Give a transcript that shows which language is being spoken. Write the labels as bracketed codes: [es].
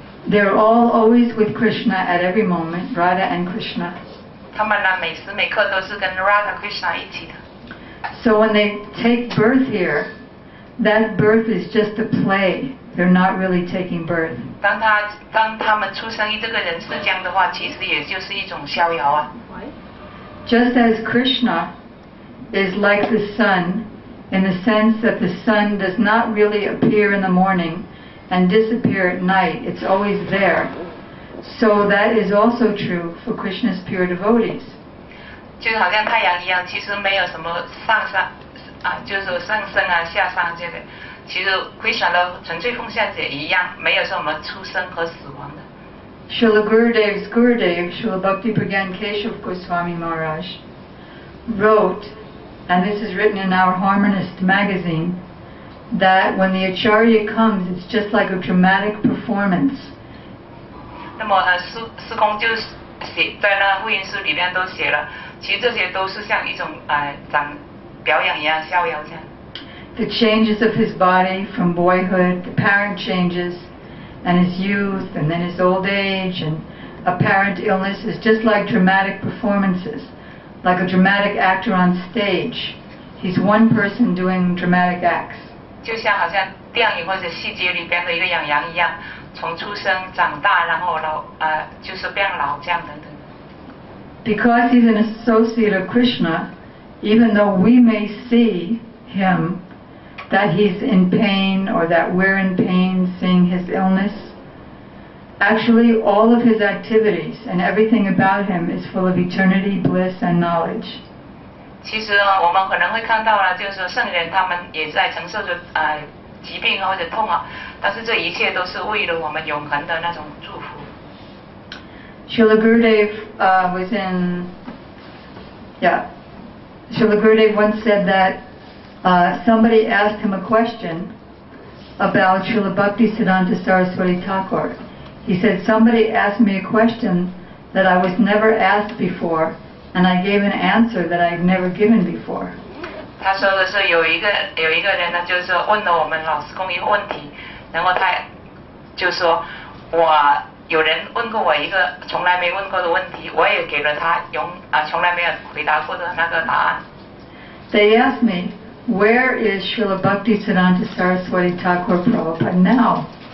[en] They're all always with Krishna at every moment, Radha and Krishna. [zh] 他们呢，每时每刻都是跟Radha Krishna一起的。 [en] So when they take birth here, that birth is just a play. They're not really taking birth. [zh] 当他们出生于这个人世间的话，其实也就是一种逍遥啊。 [en] Just as Krishna is like the sun, in the sense that the sun does not really appear in the morning and disappear at night, it's always there. So that is also true for Krishna's pure devotees. [zh] 就好像太阳一样，其实没有什么上升啊，就是上升啊，下山这个。其实Krishna的纯粹奉献者一样，没有什么出生和死亡的。 [en] Srila Gurudev's Gurudev, Srila Bhakti Pragyan Keshav Goswami Maharaj, wrote, and this is written in our Harmonist magazine, that when the Acharya comes, it's just like a dramatic performance. [zh] 那么司空就写在那复印书里面都写了，其实这些都是像一种长表演一样逍遥这样。 [en] The changes of his body from boyhood, the apparent changes, and his youth, and then his old age, and apparent illness is just like dramatic performances, like a dramatic actor on stage. He's one person doing dramatic acts. [zh] 就像好像电影或者戏剧里边的一个演员一样，从出生长大，然后老就是变老这样等等。 [en] Because he's an associate of Krishna, even though we may see him. That he's in pain or that we're in pain seeing his illness. Actually, all of his activities and everything about him is full of eternity, bliss, and knowledge. [zh] 其实我们可能会看到了就是圣人他们也在承受着疾病或者痛啊，但是这一切都是为了我们永恒的那种祝福。 [en] Srila Gurudev was in, Srila Gurudev once said thatsomebody asked him a question about Srila Bhakti Siddhanta Saraswati Thakur. He said, somebody asked me a question that I was never asked before, and I gave an answer that I had never given before. [zh] 他说的是有一个人呢就是问了我们老师公一个问题，然后他就说我有人问过我一个从来没问过的问题，我也给了他从来没有回答过的那个答案。 [en] They asked me,Where is Srila Bhakti Siddhanta Saraswati Thakur Prabhupada now?